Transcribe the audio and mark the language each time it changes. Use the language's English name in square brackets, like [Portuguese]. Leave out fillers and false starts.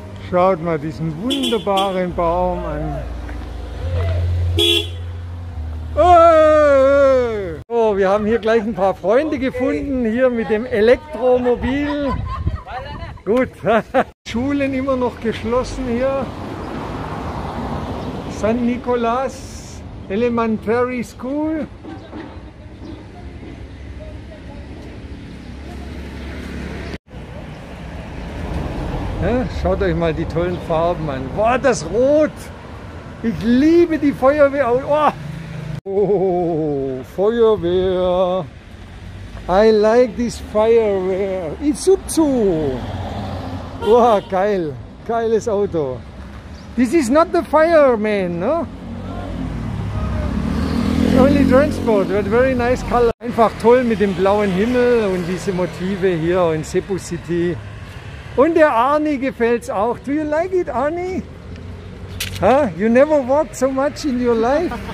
[German] Schaut mal diesen wunderbaren Baum an. Oh, oh, wir haben hier gleich ein paar Freunde gefunden, hier mit dem Elektromobil. Gut, Schulen immer noch geschlossen hier. San Nicolas Elementary School. Ja, schaut euch mal die tollen Farben an. Boah, das Rot! Ich liebe die Feuerwehr. Oh, oh, Feuerwehr. [English] I like this Feuerwehr. Isuzu. [German] Wow, geil, geiles Auto. [English] This is not the fireman, no? Only transport, but very nice color. [German] Einfach toll mit dem blauen Himmel und diese Motive hier in Cebu City. Und der Arnie gefällt's auch. [English] Do you like it, Arnie? Huh? You never walked so much in your life.